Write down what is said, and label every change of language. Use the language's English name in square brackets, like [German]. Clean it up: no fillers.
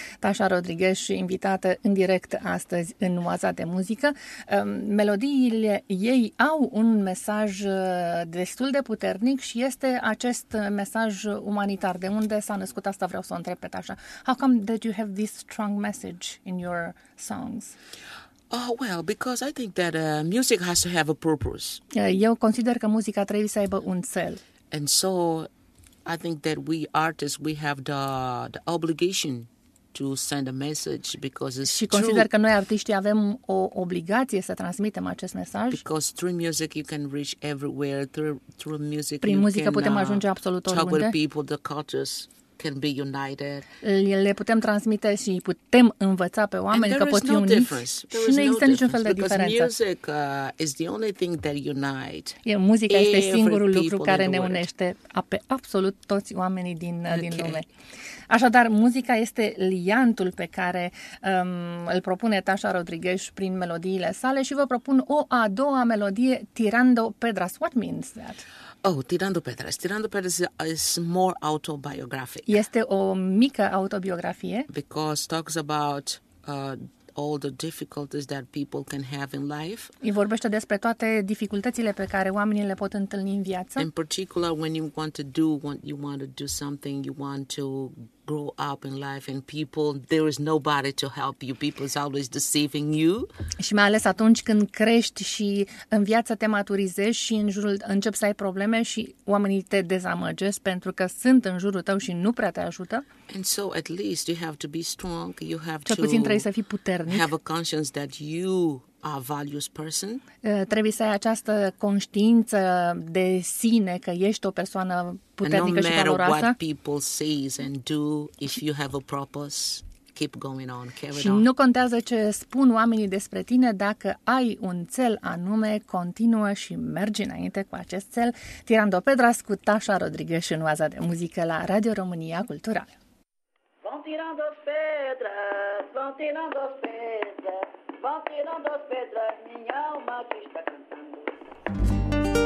[Romanian] Tasha Rodriguez, invitată în direct astăzi în Oaza de Muzică. Melodiile ei au un mesaj destul de puternic și este acest mesaj umanitar. De unde s-a născut asta, vreau să o întreb pe Tasha. [English] How come that you have this strong message in your songs? Oh, well, because I think that music has to have a purpose. [Romanian] Eu consider că muzica trebuie să aibă un cel. [English] And so I think that we artists, we have the obligation to send a message because it's [Romanian] Și consider că noi artiștii avem o obligație să transmitem acest mesaj. [English] Because through music you can reach everywhere, through music [Romanian] Prin muzică putem ajunge absolut oriunde. [English] Talk with people, the cultures can be united. [Romanian] Le putem transmite și putem învăța pe oameni că pot fi uniți. Și nu există niciun fel de diferență. [English] Music is the only thing that unites. [Romanian] Muzica este singurul lucru care ne unește pe absolut toți oamenii din lume. Așadar, muzica este liantul pe care îl propune Tasha Rodriguez prin melodiile sale și vă propun o a doua melodie, Tirando Pedras. [English] What means that? Oh, Tirando Pedras. Tirando Pedras is more autobiographic. [Romanian] Este o mică autobiografie. [English] Because talks about all the difficulties that people can have in life. [Romanian] Și vorbește despre toate dificultățile pe care oamenii le pot întâlni în viață. [English] In particular, when you want to do what you want to do something, you want to grow up in life and people, there is nobody to help you. People is always deceiving you. [Romanian] Și mai ales atunci când crești și în viață te maturizezi și în jurul începi să ai probleme și oamenii te dezamăgesc pentru că sunt în jurul tău și nu prea te ajută. [English] And so at least you have to be strong. You have [Romanian] Cel puțin trebuie să fii puternic. [English] Have a conscience that you are a valuable person. [Romanian] Trebuie să ai această conștiință de sine că ești o persoană puternică [English] no [Romanian] și valoroasă. [English] No matter what people say and do, if you have a purpose, keep going on, carry on. [Romanian] Și nu contează ce spun oamenii despre tine, dacă ai un cel anume, continuă și mergi înainte cu acest cel. Tirando Pedras cu Tasha Rodriguez în Oaza de Muzică la Radio România Culturală. [Portuguese] Vom tirando pedras, vom tirando pedras. Vão tirando as pedras, minha alma que está cantando.